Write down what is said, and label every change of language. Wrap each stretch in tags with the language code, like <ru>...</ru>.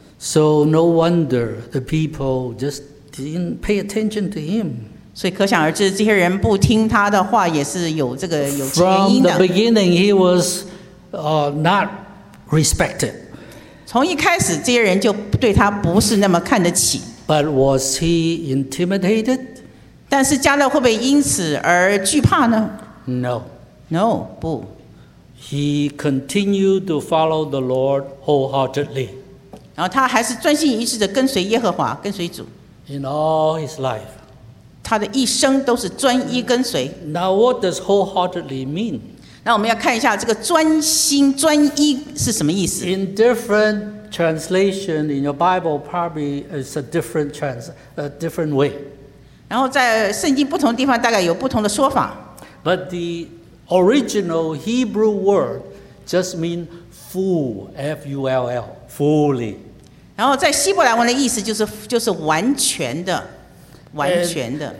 <en>So no wonder the people just didn't pay attention to him.</en> <zh>所以可想而知，这些人不听他的话也是有这个有原因的。</zh> <en>From the beginning, he was not respected.</en> <zh>从一开始，这些人就对他不是那么看得起。</zh> <en>But was he intimidated?</en> <zh>但是加勒会不会因此而惧怕呢？</zh> <en>No. No,</en> <zh>不。</zh> <en>He continued to follow the Lord wholeheartedly.</en> <zh>然后他还是专心一致的跟随耶和华，跟随主。</zh> <en>In all his life.</en> <zh>他的一生都是专一跟随。</zh> <en>Now what does wholeheartedly mean?</en> <zh>那我们要看一下这个专心专一是什么意思。</zh> <en>In different translation in your Bible, probably it's a different way.</en> <zh>然后在圣经不同地方大概有不同的说法。</zh> <en>But the original Hebrew word just means full, F-U-L-L, fully.</en> <zh>然后在希伯来文的意思就是完全的，完全的。</zh>